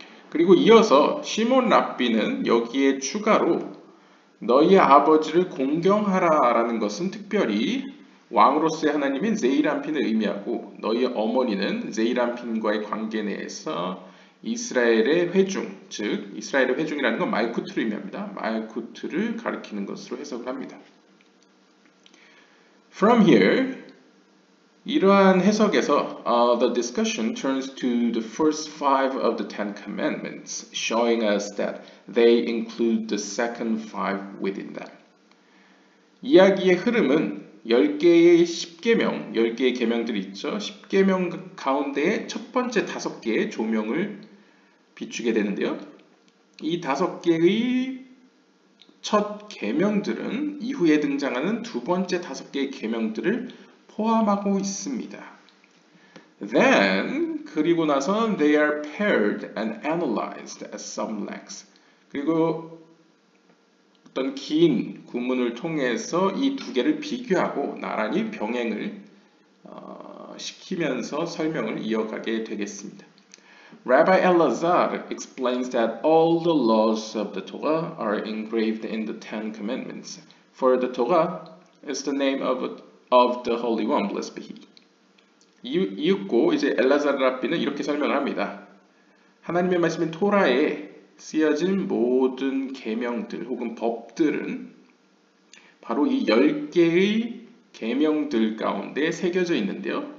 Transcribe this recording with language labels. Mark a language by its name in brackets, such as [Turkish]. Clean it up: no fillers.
[Korean] 그리고 이어서 시몬 랍비는 여기에 추가로 너희 아버지를 공경하라라는 것은 특별히 왕으로서의 하나님인 제이람핀을 의미하고 너희 어머니는 제이람핀과의 관계 내에서 이스라엘의 회중, 즉 이스라엘의 회중이라는 건 말쿠트를 의미합니다. 말쿠트를 가리키는 것으로 해석을 합니다. [English] From here, [Korean] 이러한 해석에서 [English] the discussion turns to the first five of the Ten Commandments, showing us that they include the second five within them. [Korean] 이야기의 흐름은 10개의 10계명, 10개의 계명들이 있죠. 10계명 가운데 첫 번째 5개의 조명을 비추게 되는데요. 이 5개의 첫 계명들은 이후에 등장하는 두 번째 5개의 계명들을 포함하고 있습니다. [English] Then, [Korean] 그리고 나서 [English] they are paired and analyzed at some lengths. [Korean] 그리고 어떤 긴 구문을 통해서 이 두 개를 비교하고 나란히 병행을 시키면서 설명을 이어가게 되겠습니다. [English] Rabbi Elazar explains that all the laws of the Torah are engraved in the Ten Commandments. For the Torah is the name of the Holy One, blessed be He. [Korean] 이윽고 이제 엘라자르 랍비는 이렇게 설명을 합니다. 하나님의 말씀인 토라에 쓰여진 모든 계명들 혹은 법들은 바로 이 10개의 계명들 가운데 새겨져 있는데요.